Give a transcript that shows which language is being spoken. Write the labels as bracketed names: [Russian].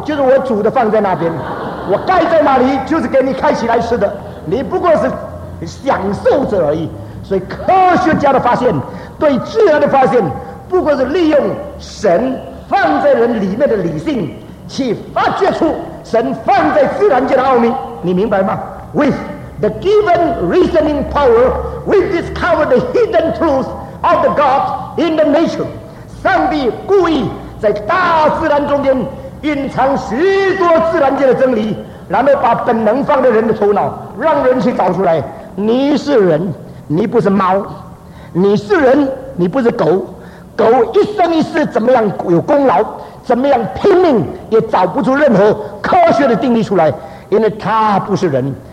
[Chinese] 就是我煮的放在那边，我盖在那里就是给你开起来吃的，你不过是享受者而已。所以科学家的发现，对自然的发现，不过是利用神放在人里面的理性去发掘出神放在自然界的奥秘，你明白吗？ [English] With the given reasoning power, we discover the hidden truth of the God in the nature. [Chinese] 上帝故意在大自然中间隐藏许多自然界的真理，然后把本能放在人的头脑，让人去找出来。你是人，你不是猫；你是人，你不是狗。狗一生一世怎么样有功劳，怎么样拼命，也找不出任何科学的定义出来，因为它不是人。